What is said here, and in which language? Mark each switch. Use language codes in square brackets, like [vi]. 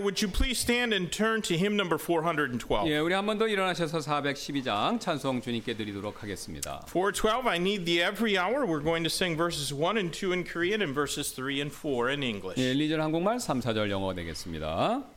[en] Would you please stand and turn to hymn number 412. [ko] 예, 우리 한 번 더 일어나셔서 412장 찬송 주님께 드리도록 하겠습니다. [en] 412, I need thee every hour. We're going to sing verses 1 and 2 in Korean and verses 3 and 4 in English. [ko] 예, 1절 한국말 3, 4절 영어 되겠습니다.